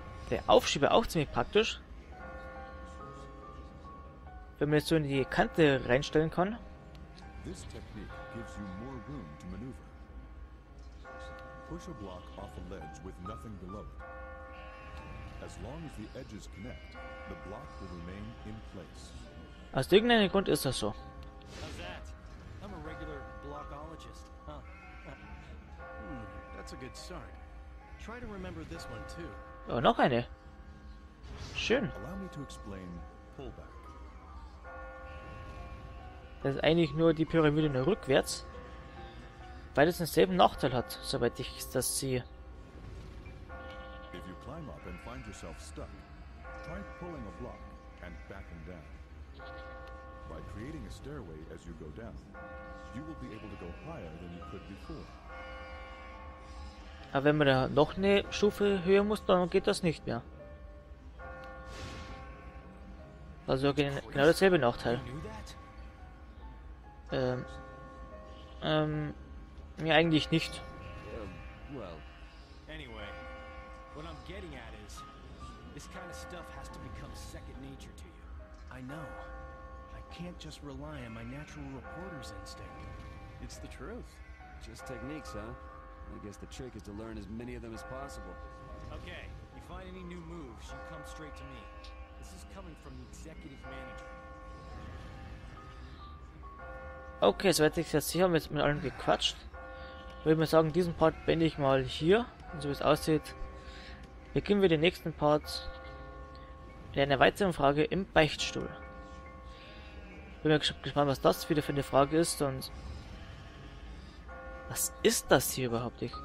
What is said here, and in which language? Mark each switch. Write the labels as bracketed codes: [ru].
[de] Der Aufschieber auch ziemlich praktisch. Wenn man jetzt so in die Kante reinstellen kann. [en] This technique gives you more room to maneuver. Push a block off a ledge with nothing below it. As long as the edges connect, the block will remain in place. [de] Aus irgendeinem Grund ist das so. [en] How's that? I'm a regular blockologist, huh? That's a good start. Try to remember this one too. [de] Oh, noch eine. Schön. [en] Allow me to explain pullback. [de] Das ist eigentlich nur die Pyramide nur rückwärts, weil es denselben Nachteil hat, soweit ich das sehe. [en] If you climb up and find yourself stuck, try pulling a block and backing down. By creating a stairway as you go down, you will be able to go higher than you could before. [de] Aber wenn man da noch eine Stufe höher muss, dann geht das nicht mehr. Also genau dasselbe Nachteil. Ja, eigentlich nicht. [en] Well, anyway, what I'm getting at is, this kind of stuff has to become second nature to you. I know. I can't just rely on my natural reporter's instinct. It's the truth. Just techniques, huh? I guess the trick is to learn as many of them as possible. Okay, you find any new moves, you come straight to me. This is coming from the executive manager. [de] Okay, so hätte ich es jetzt hier mit allen gequatscht. Würde mir sagen, diesen Part beende ich mal hier. Und so wie es aussieht, beginnen wir den nächsten Part mit einer weiteren Frage im Beichtstuhl. Bin mir gespannt, was das wieder für eine Frage ist und was ist das hier überhaupt?